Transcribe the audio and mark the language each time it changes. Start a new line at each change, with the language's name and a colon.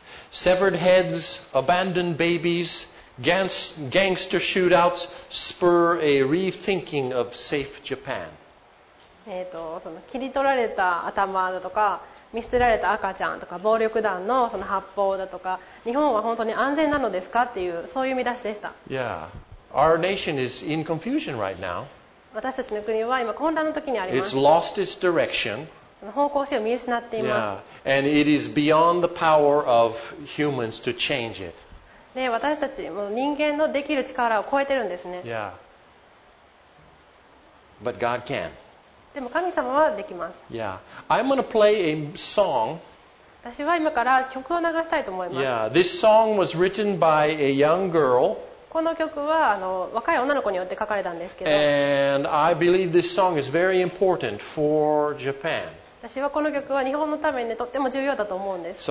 English: Severed heads, abandoned babies, gangster shootouts spur a rethinking of safe Japan.
Japanese: その切り取られた頭だとか、見捨てられた赤ちゃんとか、暴力団のその発砲だとか、日本は本当に安全なのですかっていう、そういう見出しでした。
English: Yeah, our nation is in confusion right now.
Japanese: 私たちの国は今混乱の時にあります。
English: It's lost its direction.
Japanese: その方向性を見失っています。
English: Yeah. And it is beyond the power of humans to change it.
Japanese: で、私たちも人間のできる力を超えてるんですね。
English: Yeah. But God can.
Japanese: でも神様はできます。
English: Yeah. I'm going to play a song.
Japanese: 私は今から曲を流したいと思います。
English: Yeah. This song was written by a young girl.
Japanese: この曲は若い女の子によって書かれたんですけど。
English: And I believe this song is very important for Japan.
Japanese: 私はこの曲は日本のためにとっても重要だと思うんです。